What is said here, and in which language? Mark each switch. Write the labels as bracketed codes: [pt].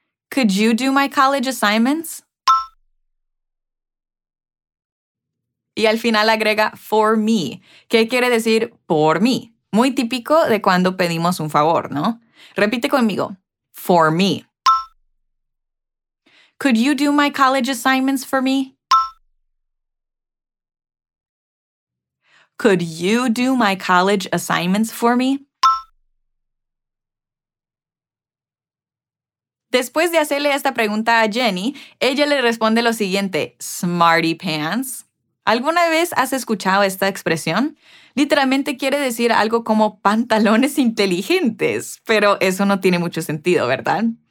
[en] Could you do my college assignments? [es] Y al final agrega [en] for me. [es] ¿Qué quiere decir por mí? Muy típico de cuando pedimos un favor, ¿no? Repite conmigo. [en] For me. Could you do my college assignments for me? Could you do my college assignments for me? [es] Después de hacerle esta pregunta a Jenny, ella le responde lo siguiente, [en] Smarty Pants. [es] ¿Alguna vez has escuchado esta expresión? Literalmente quiere decir algo como pantalones inteligentes, pero eso no tiene mucho sentido, ¿verdad?